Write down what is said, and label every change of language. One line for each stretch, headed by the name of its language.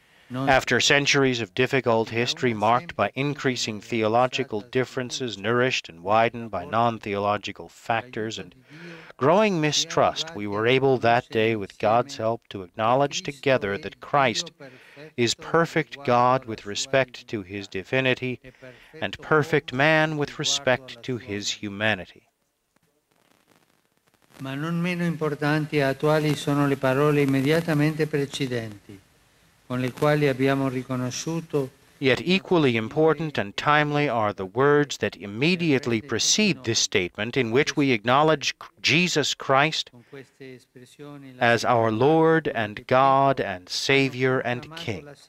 English: After centuries of difficult history marked by increasing theological differences nourished and widened by non-theological factors and growing mistrust, we were able that day, with God's help, to acknowledge together that Christ is perfect God with respect to his divinity and perfect man with respect to his humanity.
Italian: Ma non meno importanti e attuali sono le parole immediatamente precedenti.
English: Yet equally important and timely are the words that immediately precede this statement, in which we acknowledge Jesus Christ as our Lord and God and Savior and King.